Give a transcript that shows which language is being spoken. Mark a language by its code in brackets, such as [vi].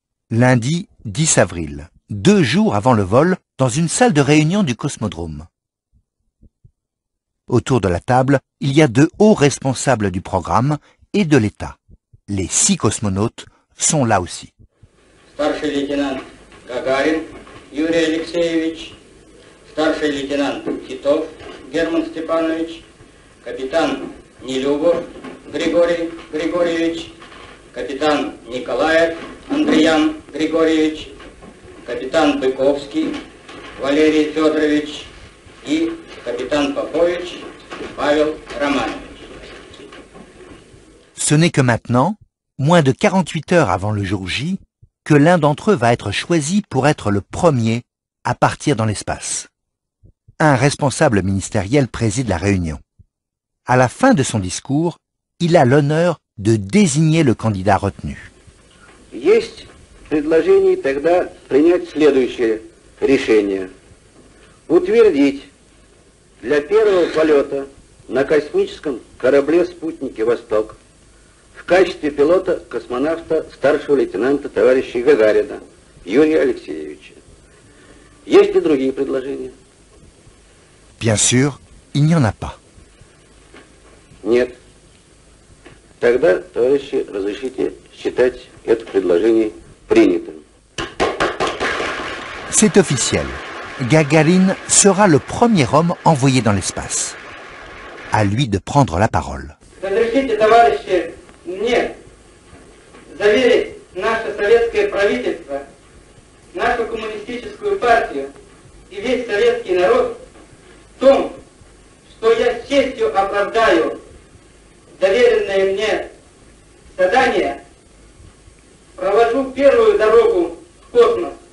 [fr] Lundi 10 avril, deux jours avant le vol, dans une salle de réunion du cosmodrome. Autour de la table, il y a deux hauts responsables du programme et de l'État. Les six cosmonautes sont là aussi. [ru] Старший лейтенант Гагарин Юрий Алексеевич, старший лейтенант Титов Герман Степанович, капитан Нелюбов Григорий Григорьевич, капитан Николаев Андриян Григорьевич, капитан Быковский Валерий Федорович и капитан Попович Павел Романович. [fr] Ce n'est que maintenant, moins de 48 heures avant le jour J, que l'un d'entre eux va être choisi pour être le premier à partir dans l'espace. Un responsable ministériel préside la réunion. À la fin de son discours, il a l'honneur de désigner le candidat retenu. [ru] Есть предложение тогда принять следующее решение. Утвердить для первого полета на космическом корабле-спутнике «Восток» в качестве пилота космонавта старшего лейтенанта товарища Гагарина Юрия Алексеевича. Есть ли другие предложения? [fr] Bien sûr, il n'y en a pas. [ru] Нет. Тогда, товарищи, разрешите считать это предложение принятым. [fr] C'est officiel. Гагарин sera le premier homme envoyé dans l'espace. À lui de prendre la parole. [ru] Разрешите, товарищи, мне заверить наше советское правительство, нашу коммунистическую партию и весь советский народ в том, что я с честью оправдаю доверенное мне задание, провожу первую дорогу в космос,